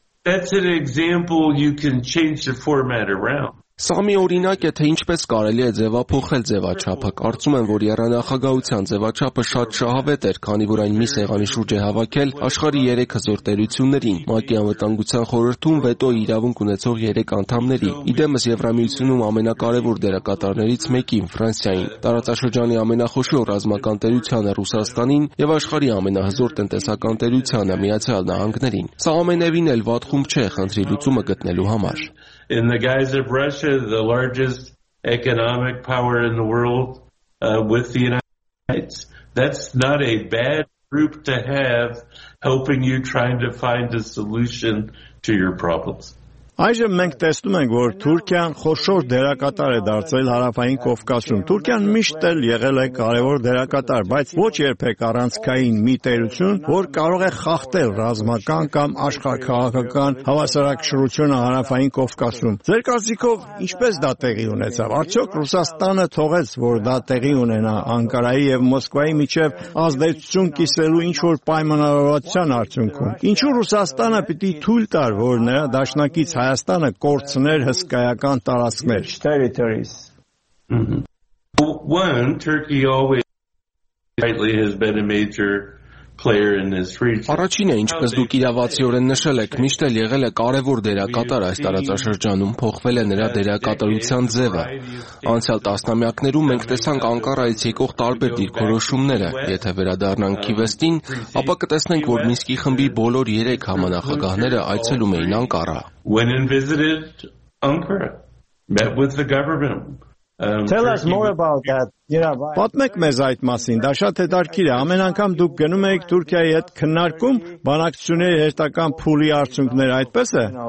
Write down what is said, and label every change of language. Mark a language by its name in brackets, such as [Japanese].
[English] That's an example you can change the format around. [Armenian] Սա մի օրինակ է, թե ինչպես կարելի է ձևափոխել ձևաչափը։ Կարծում եմ, որ եռանախագահության ձևաչափը շատ շահավետ էր, քանի որ այն մի սեղանի շուրջ է հավաքել աշխարհի 3 հզոր տերություններին՝ ՄԱԿ-ի անվտանգության խորհրդում վետոյի իրավունք ունեցող 3 անդամների, իդեմս Եվրամիությունում ամենակարևոր դերակատարներից մեկին՝ Ֆրանսիային, տարածաշրջանի ամենախոշոր ռազմական տերությանը՝ Ռուսաստանին, և աշխարհի ամենահզոր տնտեսական տերությանը՝ Միացյալ Նահանգներին։ Սա ամենևին էլ վատխում չէ խնդրի լուծումը գտնելու համար։ [English] In the guise of Russia, the largest economic power in the world, with the United States, that's not a bad group to have helping you trying to find a solution to your problems. [Armenian] Այժմ մենք տեսնում ենք, որ Թուրքիան խոշոր դերակատար է դարձել Հարավային Կովկասում։ Թուրքիան միշտ էլ եղել է կարևոր դերակատար, բայց ոչ երբեք առանցքային մի տերություն, որ կարող է խախտել ռազմական կամ աշխարհքաղաքական հավասարակշռությունը Հարավային Կովկասում։ Ձեր կարծիքով ինչպես դա տեղի ունեցավ։ Արդյոք Ռուսաստանը թողեց, որ դա տեղի ունենա Անկարայի և Մոսկվայի միջև ազդեցություն կիսելու ինչ-որ պայմանավորվածության արդյունքում։ Ինչու Ռուսաստանը պիտի թույլ տար, որ նրա դաշնակից Հայաստանը կորցներ հսկայական տարածքներ [English] territories. One, Turkey always rightly has been a major player in this region. [Armenian] Առաջինը, ինչպես դուք իրավացիորեն նշել եք, միշտ էլ եղել է կարևոր դերակատար այս տարածաշրջանում, փոխվել է նրա դերակատարության ձևը։ Անցյալ տասնամյակներում մենք տեսանք Անկարայից եկող տարբեր դիրքորոշումները։ Եթե վերադառնանք Քիվեստին, ապա կտեսնենք, որ Մինսկի խմբի բոլոր 3 համանախագահները այցելում էին Անկարա։ [English] When visited Ankara, met with the government. Tell us more about that. [Armenian] Պատմեք մեզ այդ մասին, դա շատ հետաքրքիր է։ Ամեն անգամ դուք գնում էիք Թուրքիայի հետ քննարկում բանակցությունների հերթական փուլի արդյունքները, այդպես է։